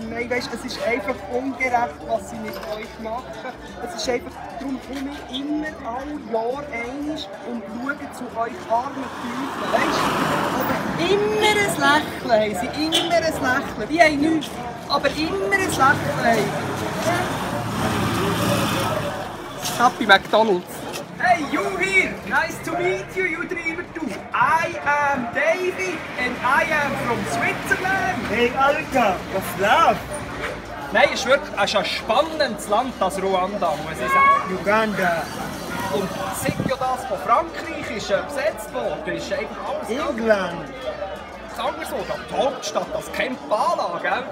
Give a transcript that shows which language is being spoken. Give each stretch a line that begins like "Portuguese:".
German: Nein, weißt, es ist einfach ungerecht, was sie mit euch machen. Es ist einfach, darum komme ich immer alle Jahre einig und schaue zu euch armen Teufeln. Weißt, aber immer ein Lächeln haben sie, immer ein Lächeln. Die haben nichts, aber immer ein Lächeln haben sie.
English: Happy McDonald's. Hey, you here! Nice to meet you, you dreamer too! I am Davy and I am from Switzerland!
German: Hey, Alka, was läuft? Nein, es ist wirklich ein spannendes Land, das Ruanda, muss ich sagen. Uganda! Und seit ja das von Frankreich ist besetzt worden, ist eben alles. England! Sagen wir so, die Hauptstadt, das Kampala, gell?